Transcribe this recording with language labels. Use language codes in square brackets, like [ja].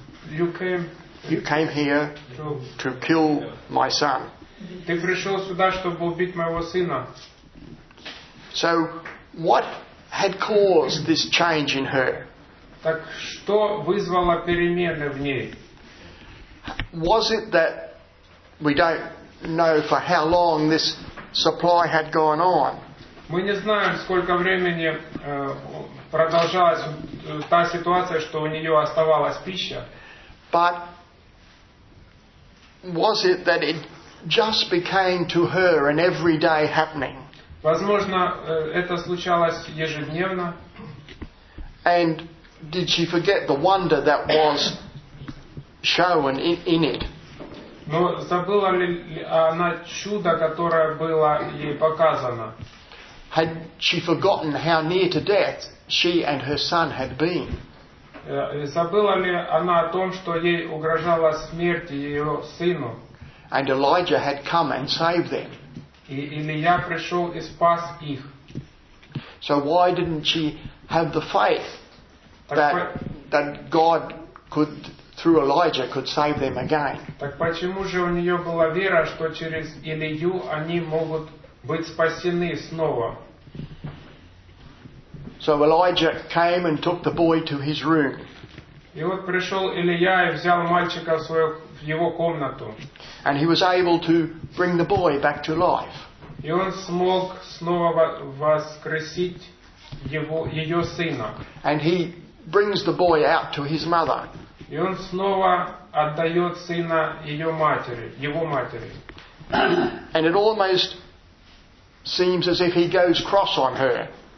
[en] You came here to kill my son. [ru] Ты пришел сюда, чтобы убить моего сына. [en] So, what had caused this change in her? [ru] Так что вызвало перемены в ней? [en] Was it that we don't know for how long this supply had gone on? [ru] Мы не знаем, сколько времени продолжалась та ситуация, что у нее оставалась пища. [en] But was it that it just became to her an everyday happening? [ru] Возможно, это случалось ежедневно. [en] And did she forget the wonder that was shown in it? [ru] Но забыла ли она чудо, которое было ей показано? [en] Had she forgotten how near to death she and her son had been? [ru] Забыла ли она о том, что ей угрожала смерть ее сыну? [en] And Elijah had come and saved them. [ru] И Илия пришел и спас их. [en] So why didn't she have the faith that God could, through Elijah, could save them again? [ru] Так почему же у нее была вера, что через Илию они могут быть спасены снова? [en] So Elijah came and took the boy to his room. [ru] И вот пришел Илия и взял мальчика в его комнату. [en] And he was able to bring the boy back to life. [ru] И он смог снова воскресить ее сына. [en] And he brings the boy out to his mother. [ru] И он снова отдает сына ее матери, его матери. [en] And it almost seems as if he goes cross on her.